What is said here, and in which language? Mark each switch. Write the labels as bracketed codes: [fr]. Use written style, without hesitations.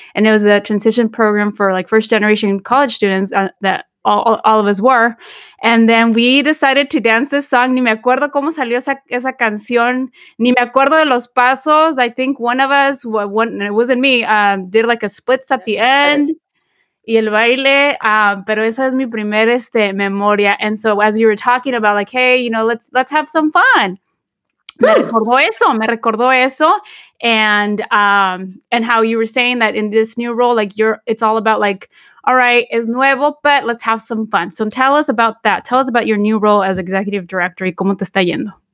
[en] And it was a transition program for like first generation college students that all of us were. And then we decided to dance this song. [es] Ni me acuerdo cómo salió esa canción. Ni me acuerdo de los pasos. [en] I think one of us, one, it wasn't me, did like a splits at the end. [es] Y el baile, pero esa es mi primer memoria. [en] And so as you were talking about like, hey, you know, let's have some fun. [es] Me recordó eso. [en] And how you were saying that in this new role, like it's all about like, all right, [es] es nuevo, [en] but let's have some fun. So tell us about that. Tell us about your new role as executive director. [es] ¿Y cómo te está yendo?